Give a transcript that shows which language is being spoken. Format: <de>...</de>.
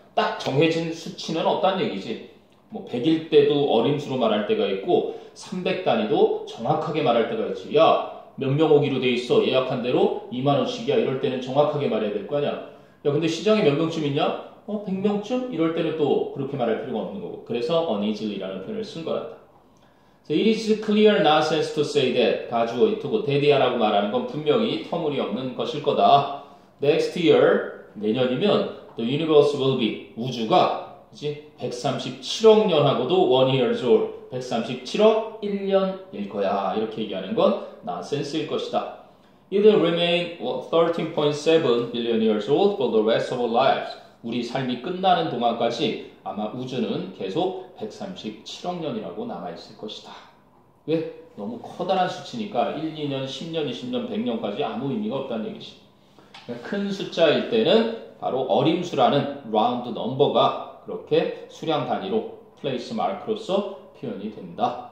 <ko>딱 정해진 수치는 없단 얘기지. 뭐 100일 때도 어림수로 말할 때가 있고 300 단위도 정확하게 말할 때가 있지. 야, 몇 명 오기로 돼 있어. 예약한 대로 2만원씩이야. 이럴 때는 정확하게 말해야 될 거 아니야. 야, 근데 시장에 몇 명쯤 있냐? 100명쯤? 이럴 때는 또 그렇게 말할 필요가 없는 거고. 그래서 uneasily라는 표현을 쓴 거란다.</ko> <en>So it is clear nonsense to say that.</en> <ko>가주어 이토고 대디아라고 말하는 건 분명히 터무니없는 것일 거다.</ko> <en>Next year,</en> <ko>내년이면</ko> <en>the universe will be,</en> <ko>우주가 그치? 137억 년하고도</ko> <en>one year's old,</en> <ko>137억 1년일 거야. 이렇게 얘기하는 건 nonsense일 것이다.</ko> <en>It will remain 13.7 billion years old for the rest of our lives.</en> <ko>우리 삶이 끝나는 동안까지 아마 우주는 계속 137억 년이라고 남아있을 것이다. 왜? 너무 커다란 수치니까 1, 2년, 10년, 20년, 100년까지 아무 의미가 없다는 얘기지. 큰 숫자일 때는 바로 어림수라는 라운드 넘버가 그렇게 수량 단위로 플레이스 마크로서 표현이 된다.</ko>